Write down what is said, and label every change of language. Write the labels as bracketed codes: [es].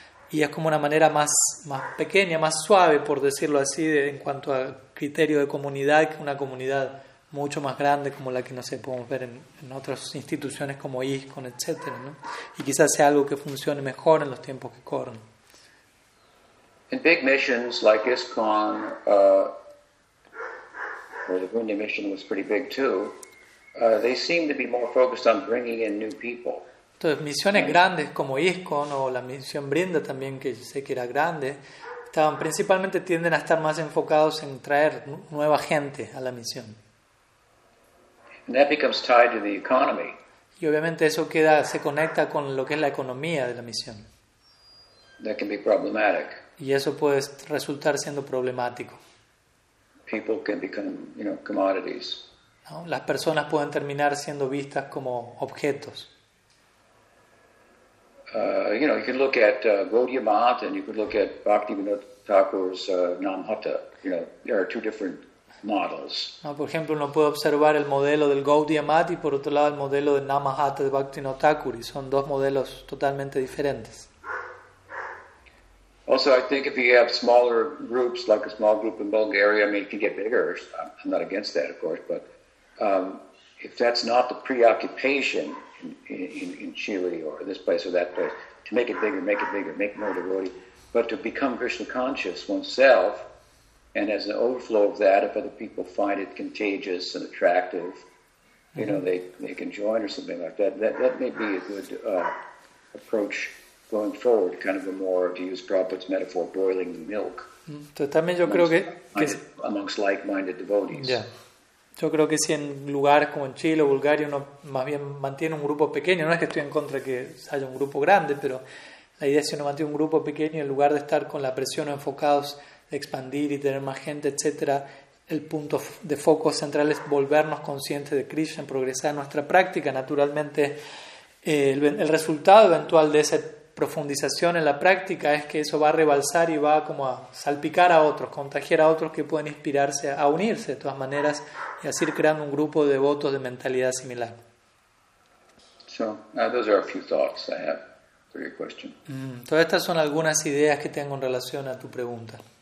[es] Y es como una manera más pequeña, más suave, por decirlo así, en cuanto a criterio de comunidad, que una comunidad mucho más grande como la que, no sé, podemos ver en otras instituciones como ISKCON, etc., ¿no? Y quizás sea algo que funcione mejor en los tiempos que corren. [en] In big missions like ISKCON, or the Burundi mission was pretty big too, they seem to be more focused on bringing in new people. [es] Entonces, misiones grandes como ISKCON o la misión Brinda también, que sé que era grande, estaban principalmente, tienden a estar más enfocados en traer nueva gente a la misión. [en] And that becomes tied to the economy. [es] Y obviamente eso se conecta con lo que es la economía de la misión. [en] That can be problematic. [es] Y eso puede resultar siendo problemático. [en] People can become, you know, commodities. [es] ¿No? Las personas pueden terminar siendo vistas como objetos. [en] You know, you could look at Gaudiya Math and you could look at Bhaktivinoda Thakur's Namhatta. You know, there are two different models. [es] No, por ejemplo, uno puede observar el modelo del Gaudiya Math y por otro lado el modelo de Namhatta de Bhaktivinoda Thakur, y son dos modelos totalmente diferentes. [en] Also, I think if you have smaller groups, like a small group in Bulgaria, I mean, it can get bigger. I'm not against that, of course, but if that's not the preoccupation in Chile or this place or that place, to make it bigger, make more devotee, but to become Krishna conscious oneself, and as an overflow of that, if other people find it contagious and attractive, mm-hmm. you know, they can join or something like that. That may be a good approach going forward, kind of a more, to use Prabhupada's metaphor, boiling the milk. [es] Entonces, también yo creo que [en] amongst like-minded devotees. Yeah. [es] Yo creo que si en lugares como en Chile o Bulgaria uno más bien mantiene un grupo pequeño, no es que estoy en contra de que haya un grupo grande, pero la idea es que uno mantiene un grupo pequeño en lugar de estar con la presión o enfocados de expandir y tener más gente, etc., el punto de foco central es volvernos conscientes de Krishna, progresar en nuestra práctica. Naturalmente, el resultado eventual de esa profundización en la práctica es que eso va a rebalsar y va como a salpicar a otros, contagiar a otros que pueden inspirarse a unirse de todas maneras y así ir creando un grupo de devotos de mentalidad similar. [en] So, those are a few thoughts I have for your question. [es] Todas estas son algunas ideas que tengo en relación a tu pregunta.